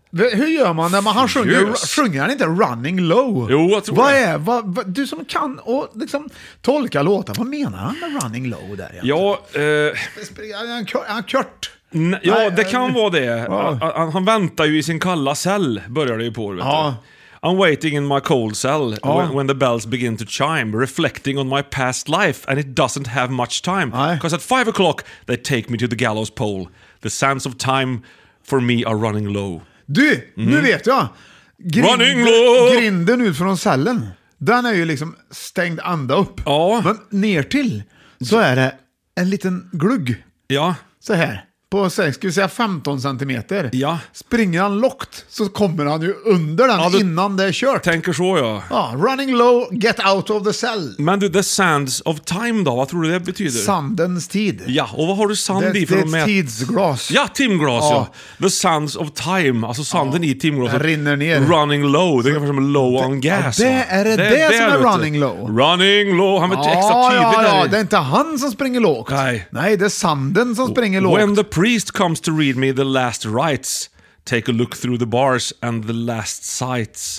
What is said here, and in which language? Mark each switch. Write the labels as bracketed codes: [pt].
[sv] Hur gör man när han sjunger han inte Running Low? Jo, jag tror vad det. Är, vad, du som kan och liksom tolka låtar, vad menar han med Running Low där? Egentligen? Ja, är han kört? Ja, det kan vara det. Han väntar ju i sin kalla cell, börjar det ju på. Vet ja. Du? [en] I'm waiting in my cold cell when the bells begin to chime, reflecting on my past life and it doesn't have much time. Because at 5 o'clock they take me to the gallows pole. The sands of time for me are running low. [sv] Du, nu vet jag. Grinden ut från cellen. Den är ju liksom stängd ända upp. Ja. Men ner till så är det en liten glugg. Ja. Så här. på, ska vi säga 15 centimeter. Ja. Springer han lockt så kommer han ju under den, ja, du, innan det är kört. Tänker så, ja. Ja, [en] running low, get out of the cell. [sv] Men du, [en] the sands of time [sv] då, vad tror du det betyder? Sandens tid. Ja, och vad har du sand det, i för att mäta? Det är tidsglas. Ja, timglas, ja. [en] The sands of time, [sv] alltså sanden, ja, i timglas. Rinner ner. [en] Running low, [sv] det är som [en] low on gas. [sv] Ja, det är det, det, det som är [en] running low. Running low, [sv] han är, ja, extra tydlig, ja, där. Ja, det är inte han som springer lågt. Nej. Nej, det är sanden som springer lågt. [en] When the priest comes to read me the last rites, take a look through the bars and the last sights.